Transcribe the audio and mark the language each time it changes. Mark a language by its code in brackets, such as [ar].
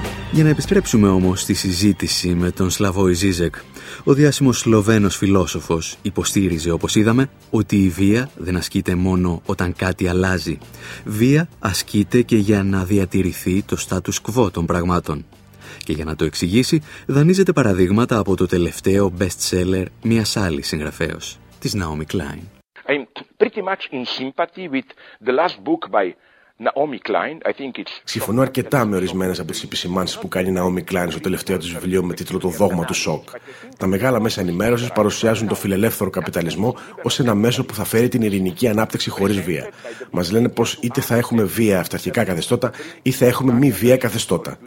[el] Για να επιστρέψουμε όμως στη συζήτηση με τον Σλαβόι Ζίζεκ, ο διάσημος Σλοβαίνος φιλόσοφος υποστήριζε, όπως είδαμε, ότι η βία δεν ασκείται μόνο όταν κάτι αλλάζει. Βία ασκείται και για να διατηρηθεί το status quo των πραγμάτων. Και για να το εξηγήσει, δανείζεται παραδείγματα από το τελευταίο best seller μιας άλλης συγγραφέως, της Naomi Klein. [en] I'm pretty much in sympathy with the last book by Naomi Klein. I think it's... [el] Συμφωνώ αρκετά με ορισμένες από τις επισημάνσεις που κάνει η Naomi Klein στο τελευταίο της βιβλίο με τίτλο «Το δόγμα του σοκ». Τα μεγάλα μέσα ενημέρωσης παρουσιάζουν το φιλελεύθερο καπιταλισμό ως ένα μέσο που θα φέρει την ειρηνική ανάπτυξη χωρίς βία. Μας λένε πως είτε θα έχουμε βία αυταρχικά καθεστώτα, ή θα έχουμε μη βία καθεστώτα.